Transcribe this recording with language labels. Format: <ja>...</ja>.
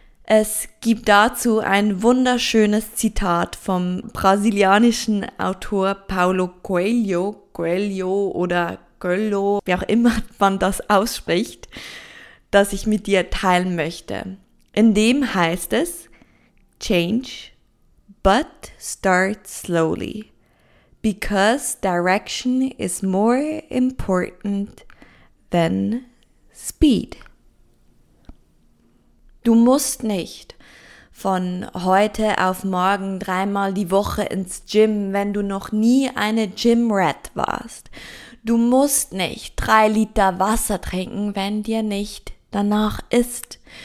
<de>Es gibt dazu ein wunderschönes Zitat vom brasilianischen Autor Paulo Coelho, wie auch immer man das ausspricht, das ich mit dir teilen möchte. In dem heißt es:</de> <en>Change, but start slowly, because direction is more important than speed.</en> <de>Du musst nicht von heute auf morgen dreimal die Woche ins Gym, wenn du noch nie eine Gymrat warst. Du musst nicht 3 Liter Wasser trinken, wenn dir nicht danach ist.</de>